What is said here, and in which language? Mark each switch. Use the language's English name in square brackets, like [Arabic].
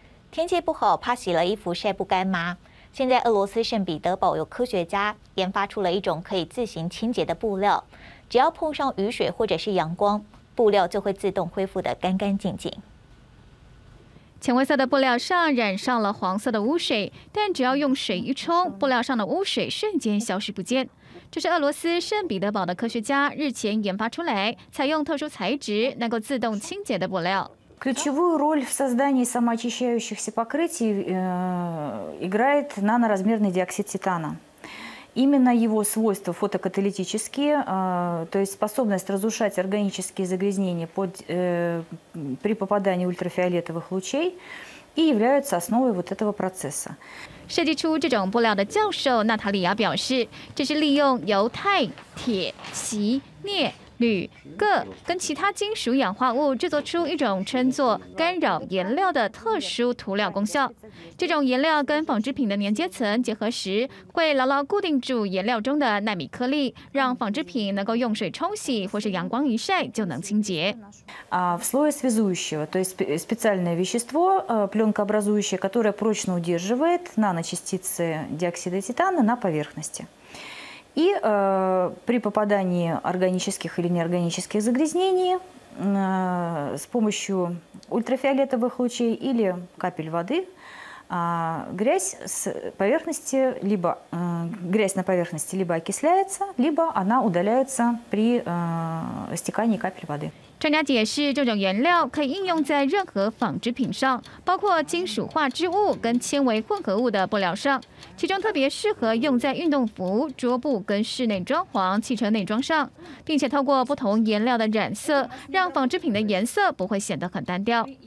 [Chinese] 天气不好，怕洗了衣服晒不干吗？现在俄罗斯圣彼得堡有科学家研发出了一种可以自行清洁的布料，只要碰上雨水或者是阳光，布料就会自动恢复得干干净净。浅灰色的布料上染上了黄色的污水，但只要用水一冲，布料上的污水瞬间消失不见。这是俄罗斯圣彼得堡的科学家日前研发出来，采用特殊材质能够自动清洁的布料。 [Russian] Ключевую роль в создании самоочищающихся покрытий играет наноразмерный диоксид титана. Именно его свойства фотокаталитические, то есть способность разрушать органические загрязнения при попадании ультрафиолетовых лучей и являются основой вот этого процесса. [Chinese] 设计出这种布料的教授娜塔莉亚表示，这是利用铀、钛、铁、锡、镍、铝、铬跟其他金属氧化物制作出一种称作干扰颜料的特殊涂料功效。这种颜料跟纺织品的粘接层结合时，会牢牢固定住颜料中的纳米颗粒，让纺织品能够用水冲洗或是阳光一晒就能清洁。 [Russian] В слое связующего, то есть специальное вещество, пленкообразующее, которое прочно удерживает наночастицы диоксида титана на поверхности. И при попадании органических или неорганических загрязнений с помощью ультрафиолетовых лучей или капель воды грязь с поверхности либо грязь на поверхности либо окисляется, либо она удаляется при стекании капель воды. [Chinese] 专家解释，这种原料可以应用在任何纺织品上，包括金属化织物跟纤维混合物的布料上，其中特别适合用在运动服、桌布跟室内装潢、汽车内装上，并且透过不同颜料的染色，让纺织品的颜色不会显得很单调。